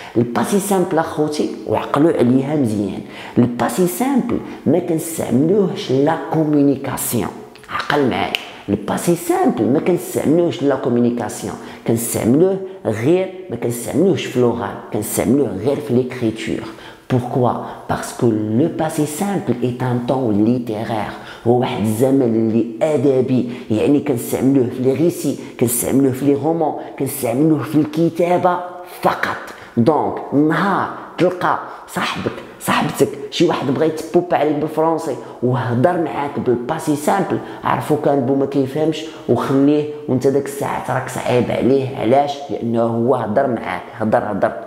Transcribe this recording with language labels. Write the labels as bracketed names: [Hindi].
[Arabic] الباسي سامبل أخوتي وعقلوا عليها مزيان. الباسي سامبل ما كنستعملوهش لا كومينيكاسيون. عقل معايا. الباسي سامبل ما كنستعملوهش لا كومينيكاسيون. كنستعملوه غير ما كنستعملوهش في لوغال. كنستعملوه غير في ليكريتور. [French] Pourquoi ? Parce que le passé simple est un temps littéraire. [Arabic] واحد الزمن اللي ادبي يعني كنستعملوه في لي ريسي كنستعملوه في لي رومون كنستعملوه في الكتابه فقط دونك نهار تلقى صاحبك صاحبتك شي واحد بغى يتبوب عليك بالفرنسي وهضر معاك بالباسي سامبل عرفو كان بو ما كيفهمش وخليه وانت داك الساعه راك صعيب عليه علاش لانه هو هضر معاك هضر